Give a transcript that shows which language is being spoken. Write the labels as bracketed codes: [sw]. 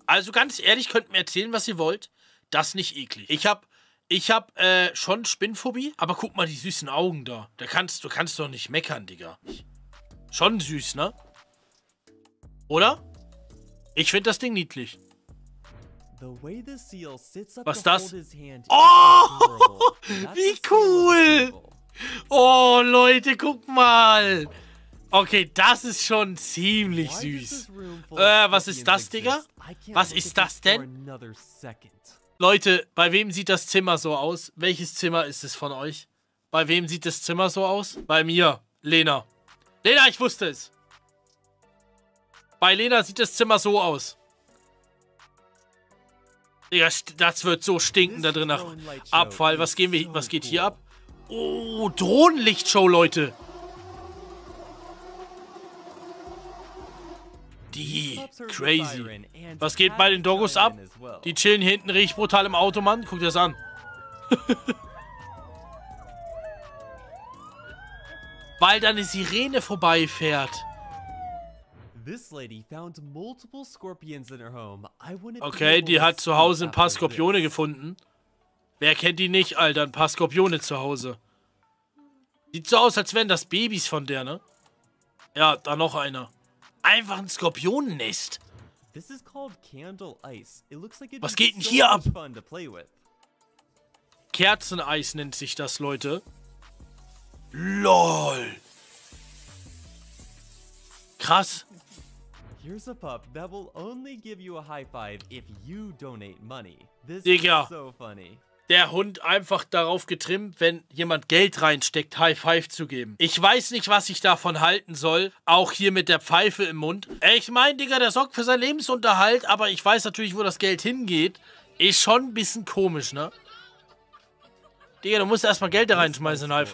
[de] Also ganz ehrlich, könnt mir erzählen, was ihr wollt. Das ist nicht eklig. Ich hab schon Spinnphobie. Aber guck mal die süßen Augen da. Du kannst doch nicht meckern, Digga. Schon süß, ne? Oder? Ich find das Ding niedlich. [en] The way the seal sits up. Was to das? Hold his hand, oh, [de] wie cool! Oh, Leute, guck mal! Okay, das ist schon ziemlich süß. Was ist das, Digga? Was ist das denn? Leute, bei wem sieht das Zimmer so aus? Welches Zimmer ist es von euch? Bei wem sieht das Zimmer so aus? Bei mir, Lena. Lena, ich wusste es! Bei Lena sieht das Zimmer so aus. Digga, das wird so stinken da drin nach Abfall. Was geht hier ab? Oh, Drohnenlichtshow, Leute. Die crazy. Was geht bei den Doggos ab? Die chillen hier hinten richtig brutal im Auto, Mann. Guck dir das an. Weil da eine Sirene vorbeifährt. [en] This lady found multiple scorpions in her home. I wouldn't. [de] Okay, die hat zu Hause ein paar Skorpione gefunden. Wer kennt die nicht, Alter? Ein paar Skorpione zu Hause. Sieht so aus, als wären das Babys von der, ne? Ja, da noch einer. Einfach ein Skorpionennest. [en] This is called candle ice. It looks like it. [de] Was geht denn hier ab? Kerzeneis nennt sich das, Leute. [en] LOL. [de] Krass. [en] Here's a pup that will only give you a high five if you donate money. This Digga, is so funny. [de] Der Hund einfach darauf getrimmt, wenn jemand Geld reinsteckt, High Five zu geben. Ich weiß nicht, was ich davon halten soll, auch hier mit der Pfeife im Mund. Ich meine, Digga, der sorgt für seinen Lebensunterhalt, aber ich weiß natürlich, wo das Geld hingeht. Ist schon ein bisschen komisch, ne? Digga, du musst erstmal Geld da reinschmeißen.